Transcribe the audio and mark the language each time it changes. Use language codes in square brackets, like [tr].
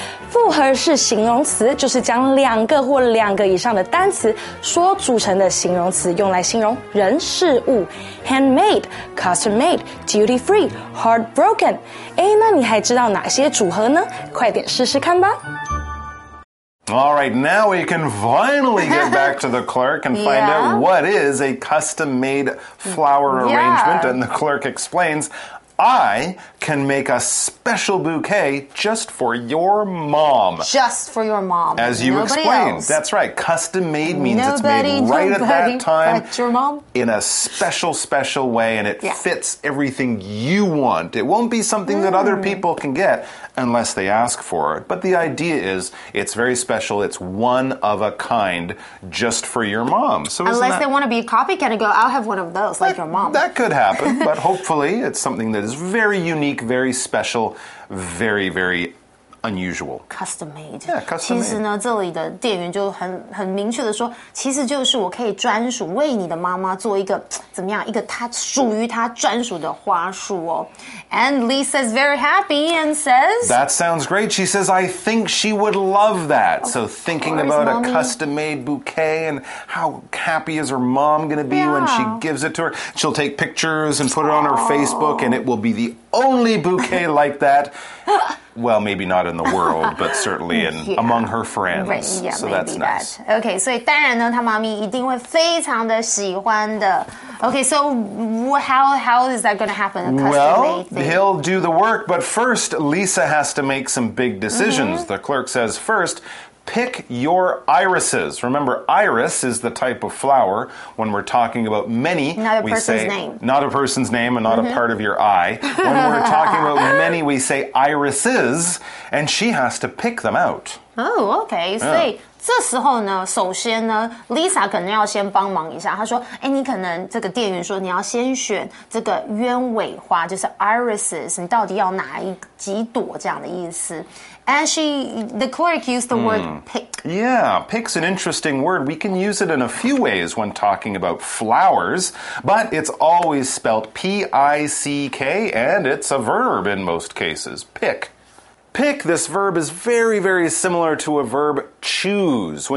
[zh] 复合式形容词就是将两个或两个以上的单词所组成的形容词用来形容人事物。 [en] Handmade, custom made, duty free, heartbroken. [zh] 诶，那你还知道哪些组合呢？快点试试看吧。 [en] All right, now we can finally get back to the clerk and find out what is a custom-made flower arrangement. And the clerk explains, I can make a special bouquet just for your mom. Just for your mom. As you explained. That's right. Custom-made means nobody, it's made right at that time. But your mom? In a special, special way. And it fits everything you want. It won't be something that other people can get. Unless they ask for it. But the idea is, it's very special. It's one of a kind just for your mom. So unless they want to be a copycat and go, I'll have one of those, like your mom. That could happen. But hopefully, it's something that is very unique, very special, very, very unusual. Custom made. Yeah, custom made. [zh] 其实呢，这里的店员就很明确的说，其实就是我可以专属为你的妈妈做一个怎么样一个她属于她专属的花束哦。 [en] And Lisa is very happy and says, That sounds great. She says, I think she would love that. So thinking about a custom made bouquet and how happy is her mom going to be when she gives it to her. She'll take pictures and put it on her Facebook and it will be the only bouquet like that. Well, maybe not in the world, but certainly in, yeah. among her friends. Right, yeah, so that's that. Nice. [zh] Okay, 所以当然呢，她妈咪一定会非常的喜欢的。 [en] Okay, so how is that going to happen? Well, he'll do the work, but first Lisa has to make some big decisions. Mm-hmm. The clerk says, first, pick your irises. Remember, iris is the type of flower when we're talking about many. Not a we person's say, name. Not a person's name and not mm-hmm. a part of your eye. When we're talking about many, we say irises, and she has to pick them out. Oh, okay. Yeah. [zh] So,这时候呢，首先呢 ，Lisa 可能要先帮忙一下。她说：“哎，你可能这个店员说你要先选这个鸢尾花，就是 irises， 你到底要哪一几朵这样的意思。” [en] And the clerk used the word pick. Yeah, pick's an interesting word. We can use it in a few ways when talking about flowers, but it's always spelled P-I-C-K, and it's a verb in most cases. Pick. Pick, this verb is very, very similar to a verb choose.